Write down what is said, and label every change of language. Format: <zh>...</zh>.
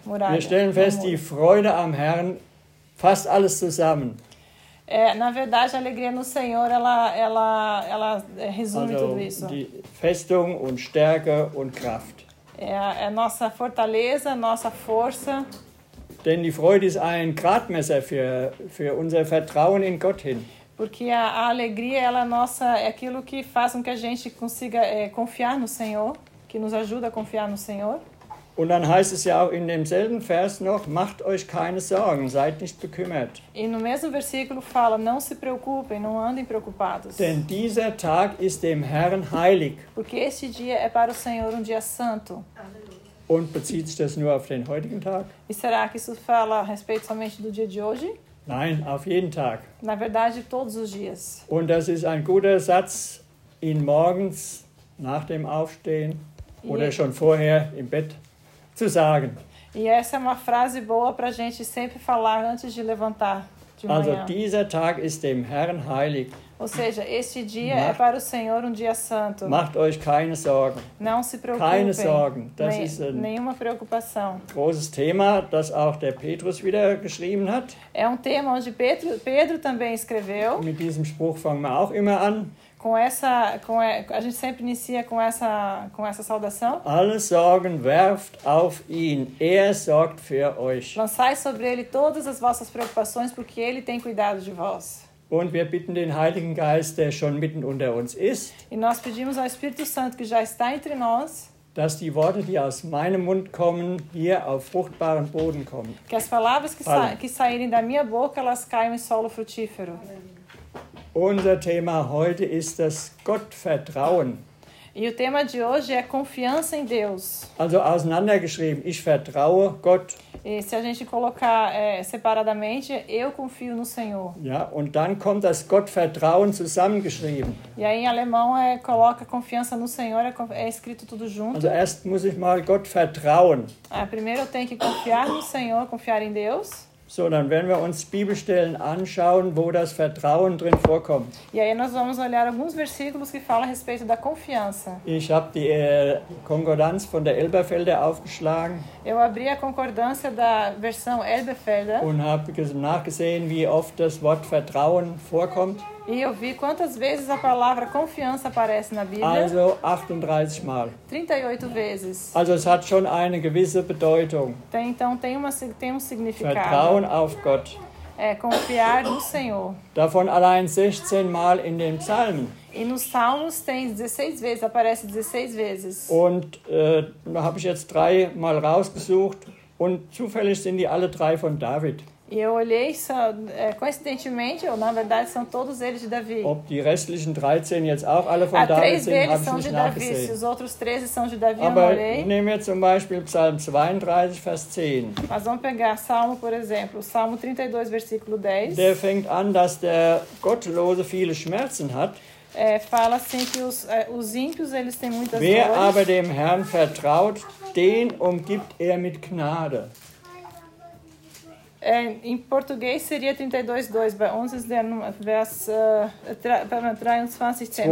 <de>Wir stellen fest, die Freude am Herrn fasst alles zusammen.</de> <pt>Na verdade, a alegria no Senhor, ela resume</pt> <de>also,</de> <pt>tudo isso.</pt> <de>Die Festung und Stärke und Kraft.</de> <pt>É nossa fortaleza, nossa força.</pt> <de>Denn die Freude ist ein Gradmesser für unser Vertrauen in Gott hin.</de> <pt>Porque a alegria, ela nossa, é aquilo que faz com que a gente consiga confiar no Senhor, que nos ajuda a confiar no Senhor.</pt> <de>Und dann heißt es ja auch in demselben Vers noch, macht euch keine Sorgen, seid nicht bekümmert.</de> <pt>E no mesmo versículo fala, não se preocupem, não andem preocupados.</pt> <de>Denn dieser Tag ist dem Herrn heilig.</de> <pt>Porque este dia é para o Senhor um dia santo.</pt> <de>Und bezieht sich das nur auf den heutigen Tag?</de> <pt>E será que isso fala a respeito somente do dia de hoje?</pt> <de>Nein, auf jeden Tag.</de> <pt>Na verdade, todos os dias.</pt> <de>Und das ist ein guter Satz, ihn morgens, nach dem Aufstehen oder schon vorher im Bett zu sagen.</de> <pt>E essa é uma frase boa para a gente sempre falar antes de levantar de manhã.</pt> <de>Also, dieser Tag ist dem Herrn heilig.</de> <pt>Ou seja, este dia é para o Senhor um dia santo.</pt> <de>Macht euch keine Sorgen.</de> <pt>Não se preocupem.</pt> <de>Keine Sorgen. Das ist</de> <pt>nenhuma preocupação.</pt> <de>Großes Thema, das auch der Petrus wieder geschrieben hat.</de> <pt>É tema onde Pedro também escreveu.</pt> <de>Mit diesem Spruch fangen wir auch immer an.</de> <pt>A gente sempre inicia com essa saudação.</pt> <de>Alle Sorgen werft auf ihn, er sorgt für euch.</de> <pt>Lançai sobre ele todas as vossas preocupações, porque ele tem cuidado de vós.</pt> <de>Und wir bitten den Heiligen Geist, der schon mitten unter uns ist.</de> <pt>E nós pedimos ao Espírito Santo que já está entre nós.</pt> <de>Dass die Worte, die aus meinem Mund kommen, hier auf fruchtbaren Boden kommen.</de> <pt>Que as palavras que saírem da minha boca, elas caem em solo frutífero.</pt> <de>Unser Thema heute ist das Gottvertrauen.</de> <pt>E o tema de hoje é confiança em Deus.</pt> <de>Also auseinandergeschrieben, ich vertraue Gott.</de> <pt>E se a gente colocar separadamente, eu confio no Senhor.</pt> <de>Ja, und dann kommt das Gottvertrauen zusammengeschrieben.</de> <pt>E aí em alemão coloca confiança no Senhor, é escrito tudo junto.</pt> <de>Also erst muss ich mal Gott vertrauen.</de> <pt>Primeiro eu tenho que confiar no Senhor, confiar em Deus.</pt> <de>So, dann werden wir uns Bibelstellen anschauen, wo das Vertrauen drin vorkommt.</de> <pt>E aí nós vamos olhar alguns versículos que falam a respeito da confiança.</pt> <de>Ich habe die Konkordanz von der Elberfelder aufgeschlagen.</de> <pt>Eu abri a concordância da versão Elberfelder.</pt> <de>Und habe nachgesehen, wie oft das Wort Vertrauen vorkommt.</de> <pt>E eu vi quantas vezes a palavra confiança aparece na Bíblia.</pt> <de>Also 38 Mal.</de> <pt>38 vezes.</pt> <de>Also es hat schon eine gewisse Bedeutung.</de> <pt>Tem um significado.</pt> <de>Vertrauen auf Gott.</de> <pt>Confiar no Senhor.</pt> <de>Davon allein 16 Mal in den Psalmen.</de> <pt>E nos Salmos tem 16 vezes, aparece 16 vezes.</pt> <de>Und da habe ich jetzt drei Mal rausgesucht. Und zufällig sind die alle drei von David.</de> <pt>E eu olhei, coincidentemente, ou na verdade são todos eles de Davi.</pt> <de>Ob die restlichen 13 jetzt auch alle von David sind, habe ich nicht nachgesehen.</de> <pt>Se os outros 13 são de Davi,</pt> <de>aber</de> <pt>eu olhei.</pt> <de>Nehmen wir zum Beispiel Psalm 32, Vers 10.</de> <pt>Mas vamos pegar Salmo, por exemplo, Salmo 32, versículo 10.</pt> <de>Der fängt an, dass der Gottlose viele Schmerzen hat.</de> <pt>É, fala assim que os ímpios eles têm muitas dores.</pt> <de>Wer aber dem Herrn vertraut, den umgibt mit Gnade.</de> <pt>É, em português seria 32:2,</pt> <de>bei uns ist der Vers 23, 10.</de>